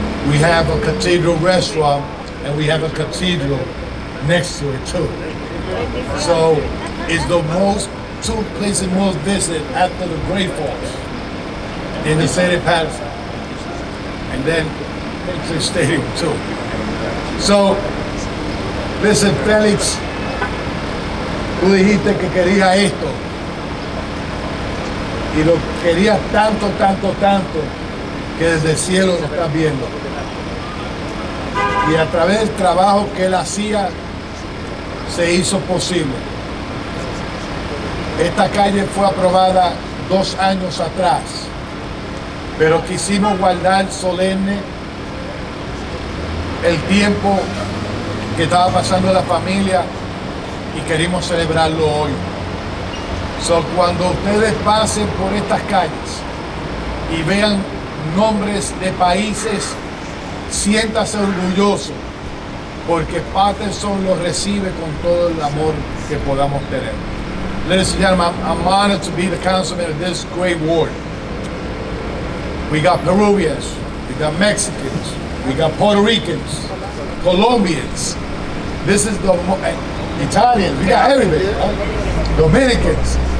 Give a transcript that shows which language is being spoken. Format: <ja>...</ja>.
<en>We have a cathedral restaurant and we have a cathedral next to it too. So it's the most two places most visited after the Great Falls in the city of Paterson. And then it's a stadium too. So listen,</en> <es>Felix, tú dijiste que quería esto. Y lo querías tanto, tanto, tanto, que desde el cielo lo estás viendo. Y a través del trabajo que él hacía, se hizo posible. Esta calle fue aprobada 2 años atrás, pero quisimos guardar solemne el tiempo que estaba pasando la familia y queríamos celebrarlo hoy. So, cuando ustedes pasen por estas calles y vean nombres de países, siéntase orgulloso porque Paterson los recibe con todo el amor que podamos tener.</es> <en>Ladies and gentlemen, I'm honored to be the councilman of this great ward. We got Peruvians, we got Mexicans, we got Puerto Ricans, Colombians. This is the Italians, we got everybody, huh? Dominicans.</en>